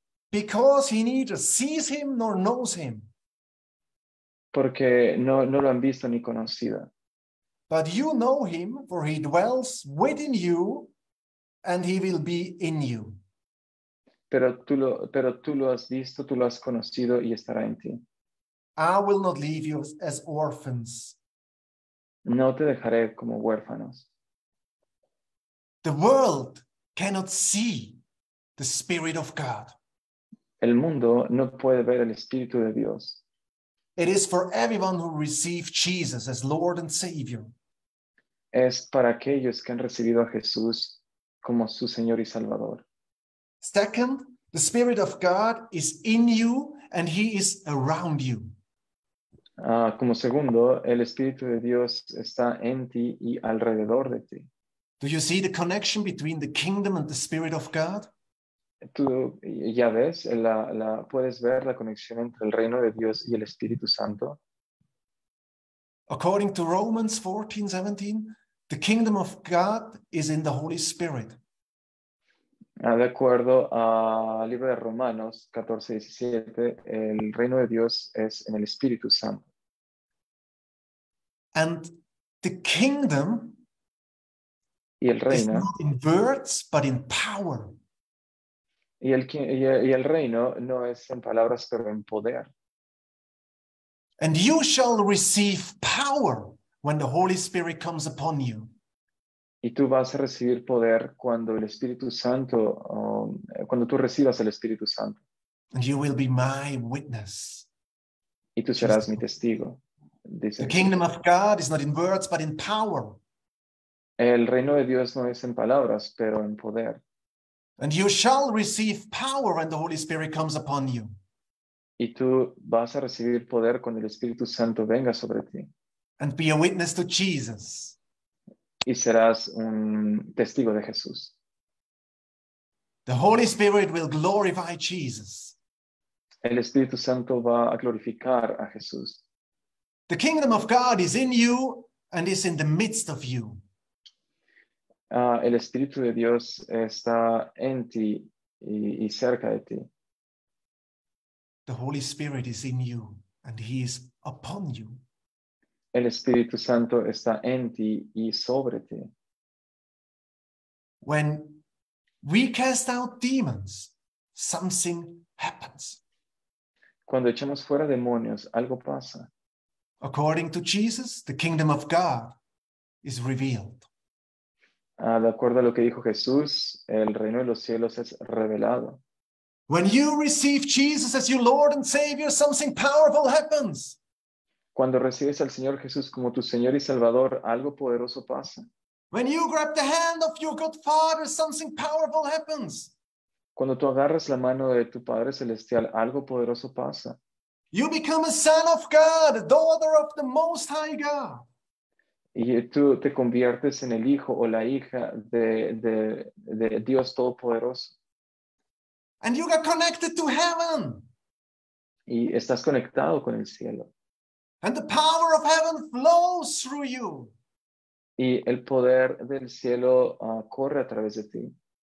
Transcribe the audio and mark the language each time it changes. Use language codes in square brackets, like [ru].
[en] Because he neither sees him nor knows him. [es] Porque no lo han visto ni conocido. [en] But you know him, for he dwells within you, and he will be in you. [es] Pero tú lo has visto, tú lo has conocido, y estará en ti. [en] I will not leave you as orphans. [es] No te dejaré como huérfanos. [en] The world cannot see the Spirit of God. [es] El mundo no puede ver el Espíritu de Dios. [en] It is for everyone who received Jesus as Lord and Savior. [es] Es para aquellos que han recibido a Jesús como su Señor y Salvador. [en] Second, the Spirit of God is in you and he is around you. [es] Como segundo, el Espíritu de Dios está en ti y alrededor de ti. [en] Do you see the connection between the kingdom and the Spirit of God? [es] Tú ya ves, puedes ver la conexión entre el reino de Dios y el Espíritu Santo. [en] According to Romans 14:17, the kingdom of God is in the Holy Spirit. [es] De acuerdo al libro de Romanos 14:17, el reino de Dios es en el Espíritu Santo. [en] And the kingdom [es] y el reino, [en] is not in words, but in power. [es] Y el reino no es en palabras, pero en poder. [en] And you shall receive power when the Holy Spirit comes upon you. [es] Y tú vas a recibir poder cuando el Espíritu Santo, cuando tú recibas el Espíritu Santo. [en] And you will be my witness. [es] Y tú serás mi testigo. [en] The kingdom of God is not in words, but in power. [es] El reino de Dios no es en palabras, pero en poder. [en] And you shall receive power when the Holy Spirit comes upon you. [es] Y tú vas a recibir poder cuando el Espíritu Santo venga sobre ti. [en] And be a witness to Jesus. [es] Y serás un testigo de Jesús. [en] The Holy Spirit will glorify Jesus. [es] El Espíritu Santo va a glorificar a Jesús. [en] The kingdom of God is in you and is in the midst of you. [es] El Espíritu de Dios está en ti y cerca de ti. [en] The Holy Spirit is in you and he is upon you. [es] El Espíritu Santo está en ti y sobre ti. [en] When we cast out demons, something happens. [es] Cuando echamos fuera demonios, algo pasa. [en] According to Jesus, the kingdom of God is revealed. [es] De acuerdo a lo que dijo Jesús, el reino de los cielos es revelado. [en] When you receive Jesus as your Lord and Savior, something powerful happens. [es] Cuando recibes al Señor Jesús como tu Señor y Salvador, algo poderoso pasa. [en] When you grab the hand of your good Father, something powerful happens. [es] Cuando tú agarras la mano de tu Padre Celestial, algo poderoso pasa. [en] You become a son of God, a daughter of the Most High God. [es] Y tú te conviertes en el hijo o la hija de Dios Todopoderoso. [en] And you got connected to heaven. [es] Y estás conectado con el cielo. [en] And the power of heaven flows through you. [es] Y el poder del cielo corre a través de ti.